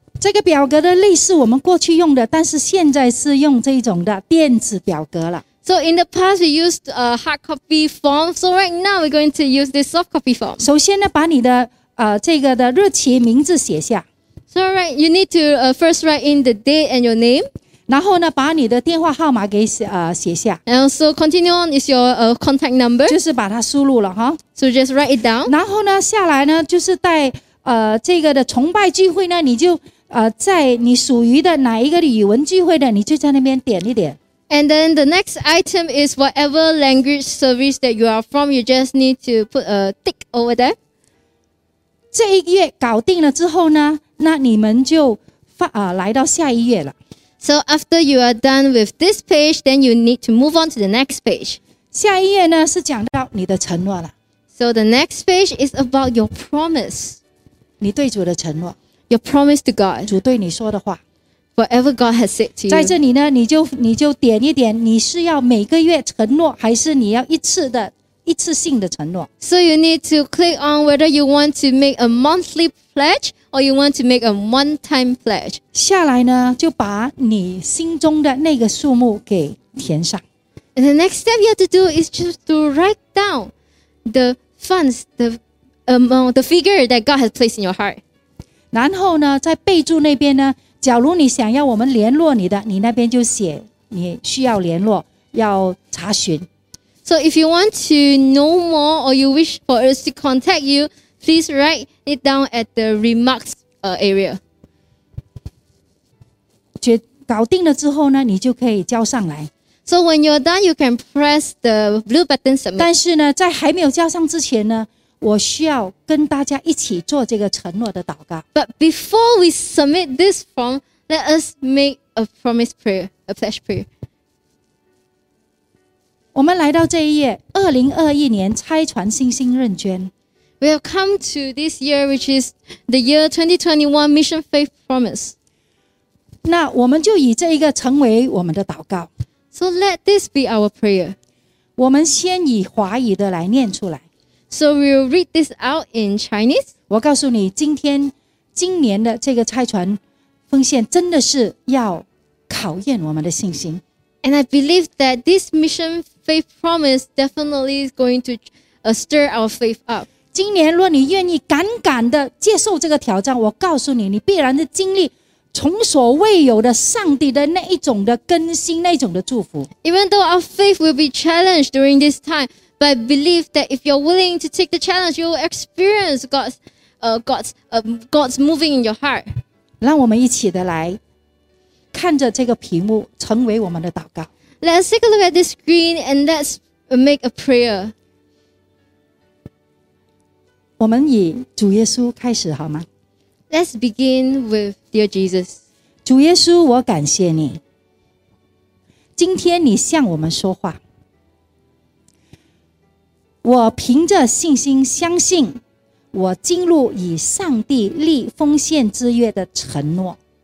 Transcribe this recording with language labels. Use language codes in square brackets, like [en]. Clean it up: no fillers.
[zh] 这个表格的类似我们过去用的，但是现在是用这种的电子表格了。 [en] So in the past, we used a hard copy form. So right now, we're going to use this soft copy form. [zh] 首先呢，把你的这个的日期名字写下。 [en] So right, you need to first write in the date and your name. [zh] 然后呢，把你的电话号码给写下。 [en] And so continue on is your contact number. [zh] 就是把它输入了哈。 [en] So just write it down. [zh] 然后呢，下来呢，就是在这个的崇拜聚会呢，你就在你属于的哪一个的语文聚会的，你就在那边点一点。 [en] And then the next item is whatever language service that you are from, you just need to put a tick over there. [zh] 这一月搞定了之后呢，那你们就来到下一月了。 [en] So after you are done with this page, then you need to move on to the next page. [zh] 下一页呢，是讲到你的承诺了。 [en] So the next page is about your promise. [zh] 你对主的承诺。 [en] Your promise to God. [zh] 主对你说的话。 [en] Whatever God has said to you. [zh] 在这里呢，你就点一点，你是要每个月承诺，还是你要一次性的承诺？ [en] So you need to click on whether you want to make a monthly pledge or you want to make a one-time pledge. [zh] 下来呢，就把你心中的那个数目给填上。 [en] And the next step you have to do is just to write down the funds, the amount, the figure that God has placed in your heart. [zh] 然后呢，在备注那边呢，假如你想要我们联络你的，你那边就写你需要联络，要查询。 [en] So if you want to know more or you wish for us to contact you, please write it down at the remarks area. [zh] 搞定了之后呢，你就可以交上来。 [en] So when you're done, you can press the blue button submit. [zh] 但是呢，在还没有交上之前呢，我需要跟大家一起做这个承诺的祷告。 [en] But before we submit this form, let us make a promise prayer, a pledge prayer. [zh] 我们来到这一页，2021年拆船信心认捐。 [en] We have come to this year, which is the year 2021 Mission Faith Promise. [zh] 那我们就以这一个成为我们的祷告。 [en] So let this be our prayer. [zh] 我们先以华语的来念出来。 [en] So we'll read this out in Chinese. [zh] 我告诉你，今年的这个拆船奉献真的是要考验我们的信心。 [en] And I believe that this mission faith promise definitely is going to stir our faith up. [zh] 今年若你愿意敢敢的接受这个挑战，我告诉你，你必然是经历从所未有的上帝的那一种的更新，那一种的祝福。 [en] Even though our faith will be challenged during this time,But I believe that if you're willing to take the challenge, you'll experience God's moving in your heart. [zh] 让我们一起的来看着这个屏幕，成为我们的祷告。 [en] Let's take a look at this screen and let's make a prayer. [zh] 我们以主耶稣开始好吗？ [en] Let's begin with dear Jesus. [zh] 主耶稣，我感谢你，今天你向我们说话。我凭着信心相信，我进入以上帝立奉献之约的承诺。